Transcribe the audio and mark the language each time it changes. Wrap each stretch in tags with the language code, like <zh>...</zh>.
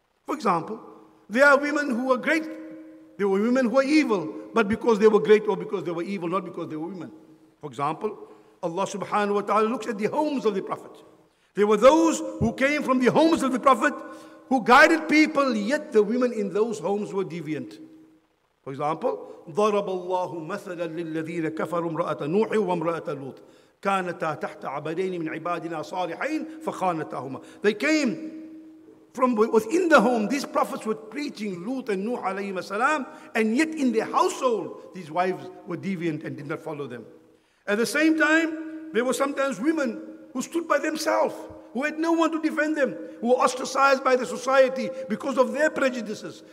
<en>For example, there are women who are great. There were women who are evil, but because they were great or because they were evil, not because they were women. For example, Allah subhanahu wa ta'ala looks at the homes of the Prophet. There were those who came from the homes of the Prophet who guided people, yet the women in those homes were deviant. For example,</en> <ar>ضَرَبَ اللَّهُ مَثَلًا لِلَّذِينَ كَفَرُوا امْرَأَةَ نُوحٍ وَامْرَأَةَ لُوطٍ كَانَتَا تَحْتَ عَبَدَيْنِ مِنْ عِبَادِنَا صَالِحَيْنِ فَخَانَتَاهُمَا.</ar> <en>They came from within the home. These prophets were preaching Lut and Nuh alayhi salam, and yet in their household, these wives were deviant and did not follow them. At the same time, there were sometimes women who stood by themselves, who had no one to defend them, who were ostracized by the society because of their prejudices.</en>